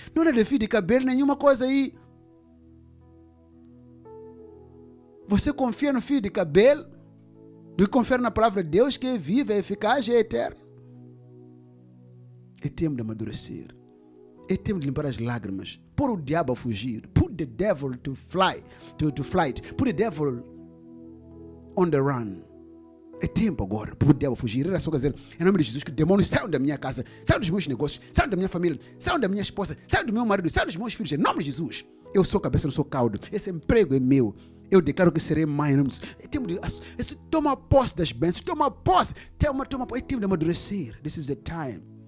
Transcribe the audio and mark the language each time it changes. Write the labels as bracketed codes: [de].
[pt] Não é de fio de cabelo nenhuma coisa aí. Você confia no fio de cabelo do que confiar na palavra de Deus, que é viva, é eficaz, é eterno. É tempo de amadurecer. É tempo de limpar as lágrimas. Pôr o diabo a fugir. [en] Put the devil to fly, to flight. Put the devil on the run. [pt] É tempo agora, por Deus, fugir. Era só dizer, em nome de Jesus, que demônios saiam da minha casa, saiam dos meus negócios, saiam da minha família, saiam da minha esposa, saiam do meu marido, saiam dos meus filhos, em nome de Jesus. Eu sou cabeça, eu sou caldo. Esse emprego é meu. Eu declaro que serei mãe, em nome de Jesus. É tempo de tomar posse das bênçãos, tomar posse, toma posse. É tempo de amadurecer. [en] This is the time.